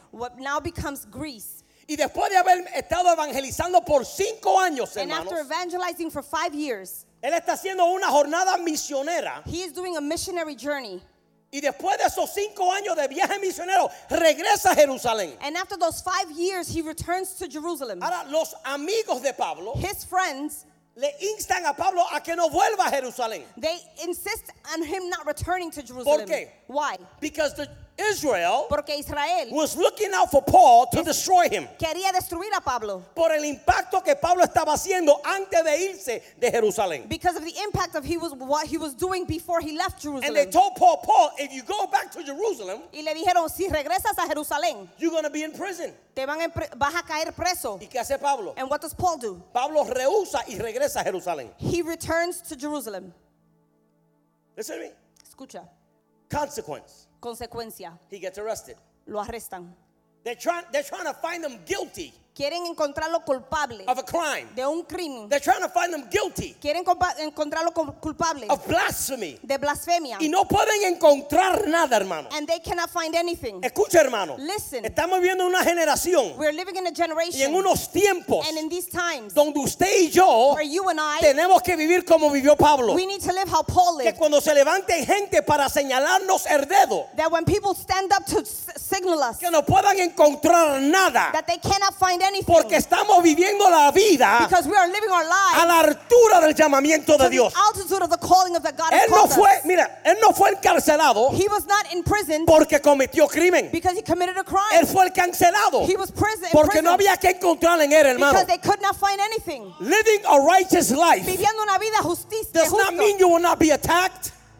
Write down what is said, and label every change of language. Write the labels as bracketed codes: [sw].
[en] What now becomes Greece. [es] Y después de haber estado evangelizando por 5 años, hermanos. [en] And after evangelizing for 5 years. [es] Él está haciendo una jornada misionera. [en] He is doing a missionary journey. [es] Y después de esos 5 años de viaje misionero, regresa a Jerusalén. [en] And after those 5 years, he returns to Jerusalem. [es] Ahora, los amigos de Pablo. [en] His friends. [es] Le instan a Pablo a que no vuelva a Jerusalén. [en] They insist on him not returning to Jerusalem. [es] ¿Por qué? [en] Why? Because the Israel, [es] porque Israel [en] was looking out for Paul to destroy him. [es] Quería destruir a Pablo. Por el impacto que Pablo estaba haciendo antes de irse de Jerusalén. [en] Because of the impact of what he was doing before he left Jerusalem. And they told Paul, if you go back to Jerusalem, [es] y le dijeron, si regresas a Jerusalén, [en] you're going to be in prison. [es] Te vas a caer preso. ¿Y qué hace Pablo? [en] And what does Paul do? [es] Pablo rehúsa y regresa a Jerusalén. [en] He returns to Jerusalem. Listen to me. [es] Escucha. [en] Consequence. [es] Consecuencia. [en] He gets arrested. [es] Lo arrestan. [en] They're trying to find him guilty. [es] Quieren encontrarlo culpable. [en] Of a crime. [es] De un crimen. [en] They're trying to find him guilty. [es] Quieren encontrarlo culpable. [en] Of blasphemy. [es] De blasfemia. Y no pueden encontrar nada, hermano. [en] And they cannot find anything. [es] Escucha, hermano. [en] Listen. [es] Estamos viviendo una generación. [en] We're living in a generation. [es] Y en unos tiempos. [en] And in these times. [es] Donde usted y yo. [en] Where you and I. [es] Tenemos que vivir como vivió Pablo. [en] We need to live how Paul lived. [es] Que cuando se levante gente para señalarnos el dedo. [en] That when people stand up to signal us. [es] Que no puedan encontrar nada. [en] That they cannot find anything. [es] Porque estamos viviendo la vida a la altura del llamamiento de Dios. Él no fue, mira, él no fue encarcelado porque cometió crimen. Él fue encarcelado porque no había que encontrar en él, hermano. [en] Living a righteous life [es] viviendo una vida justicia, [en] does not mean you will not be attacked.